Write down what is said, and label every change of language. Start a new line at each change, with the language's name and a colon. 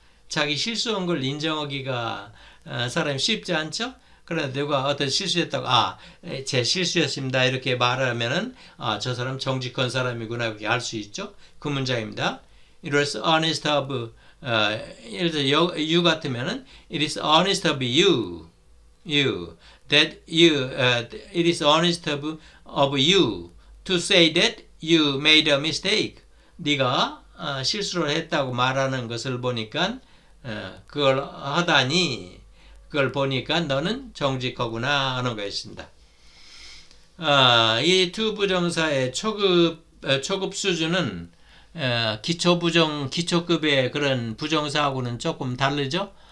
Korean: 자기 실수한 걸 인정하기가 사람이 쉽지 않죠? 그런데 누가 어떤 실수했다고 아, 제 실수였습니다 이렇게 말하면은 아, 저 사람 정직한 사람이구나 그렇게 알수 있죠? 그 문장입니다.
English: It was honest of
Korean: 예를 들어
English: you
Korean: 같으면은
English: It is honest of you that you it is honest of you To say that you made a mistake.
Korean: 네가 실수를 했다고 말하는 것을 보니까, 그걸 하다니, 그걸 보니까 너는 정직하구나 하는 것입니다. 이 to 부정사의 초급 수준은 기초급의 그런 부정사하고는 조금 다르죠?